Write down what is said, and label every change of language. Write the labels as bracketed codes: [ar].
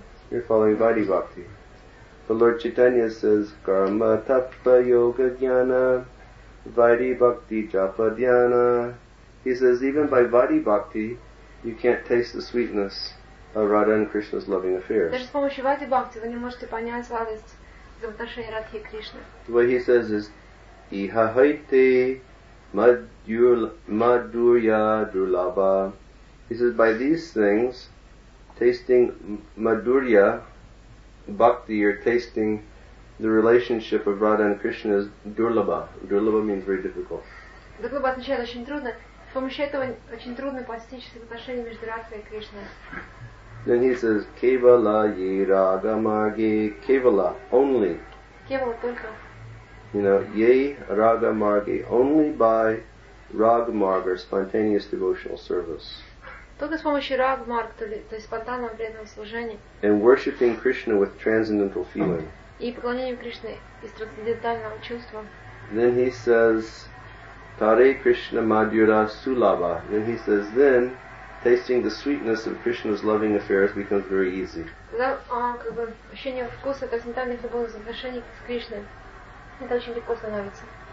[en] You're following vaidhi bhakti. The Lord Chaitanya says, [sa] karma tappa yoga jnana, vaidhi bhakti japa jnana. [en] He says, even by vaidhi bhakti, you can't taste the sweetness of Radha and Krishna's loving affairs. [ru] Даже с помощью vaidhi bhakti вы не можете понять сладость взаимоотношений Радхи и Кришны. [en] What he says is, [sa] iha haite madhurya dulaba. [en] He says, by these things, tasting madhurya bhakti, you're tasting the relationship of Radha and Krishna is durlaba. Durlaba means very difficult. [ru] Durlaba означает очень трудно. С помощью этого очень трудно постичь отношения между Радхой и Кришной. [en] Then he says, [sa] kevala ye raga marge, kevala, [en] only. [ru] Kevala, только. [en] You know, [sa] ye raga marge, [en] only by raga marga, spontaneous devotional service. [ru] Только с помощью раг марг, то есть спонтанного преданного служения. [en] And worshipping Krishna with transcendental feeling. [ru] И поклонением Кришне из трансцендентального чувства. [en] Then he says, [sa] tare Krishna madhura sulava. [en] Then he says, then tasting the sweetness of Krishna's loving affairs becomes very easy. [ru] Тогда как бы ощущение вкуса трансцендентных любовных отношений с Кришной, это очень легко становится.